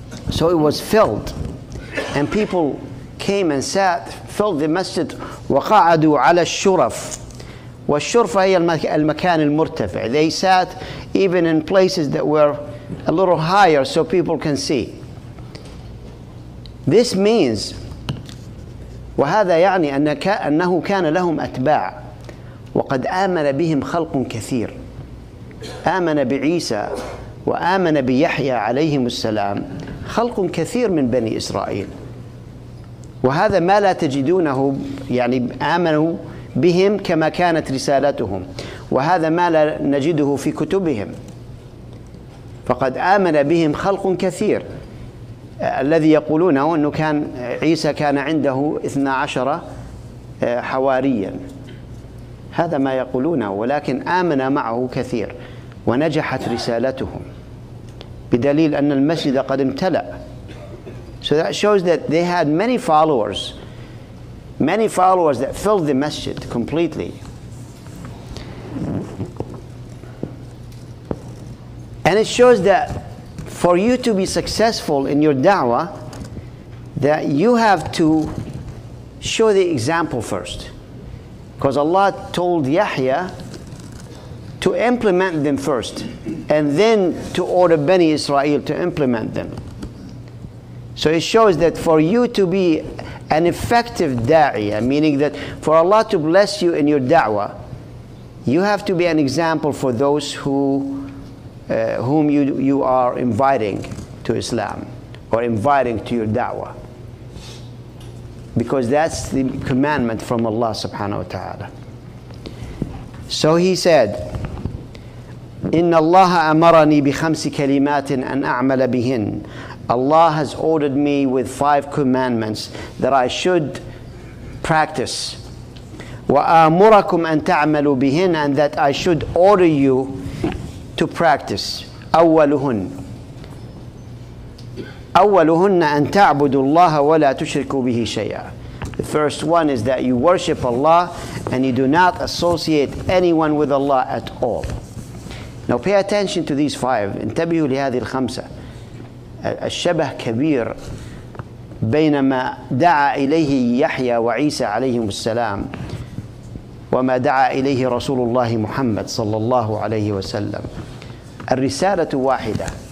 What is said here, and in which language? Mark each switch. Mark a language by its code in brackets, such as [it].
[en] So it was filled and people came and sat, filled the masjid. [ar] وقعدوا على الشرف. والشرف هي المكان المرتفع. [en] They sat even in places that were a little higher so people can see. This means [ar] وهذا يعني أنه كان لهم أتباع. وقد آمن بهم خلق كثير. آمن بعيسى وآمن بيحيى عليهم السلام خلق كثير من بني إسرائيل. وهذا ما لا تجدونه، يعني آمنوا بهم كما كانت رسالتهم، وهذا ما لا نجده في كتبهم. فقد آمن بهم خلق كثير. الذي يقولونه أنه كان عيسى كان عنده 12 حواريا، هذا ما يقولونه، ولكن آمن معه كثير ونجحت رسالتهم، بدليل أن المسجد قد امتلأ. [en] So that shows that they had many followers that filled the masjid completely. And it shows that for you to be successful in your da'wah, that you have to show the example first. Because Allah told Yahya to implement them first, and then to order Bani Israel to implement them. So it shows that for you to be an effective da'iyah, meaning that for Allah to bless you in your da'wah, you have to be an example for those who whom you are inviting to Islam or inviting to your da'wah. Because that's the commandment from Allah subhanahu wa ta'ala. So he said, [ar] إِنَّ اللَّهَ أَمَرَنِي بِخَمْسِ كَلِمَاتٍ أَنْ أَعْمَلَ بِهِنْ. [en] Allah has ordered me with five commandments that I should practice. [ar] وَآمُرَكُمْ أَنْ تَعْمَلُوا بِهِنْ, [en] and that I should order you to practice. [ar] أَوَّلُهُنَّ أَنْ تَعْبُدُوا اللَّهَ وَلَا تُشْرِكُوا بِهِ شَيْئًا. [en] The first one is that you worship Allah and you do not associate anyone with Allah at all. Now pay attention to these five. [ar] انتبهوا لهذه الخمسة. الشبه كبير بينما دعا إليه يحيى وعيسى عليهم السلام وما دعا إليه رسول الله محمد صلى الله عليه وسلم. الرسالة واحدة.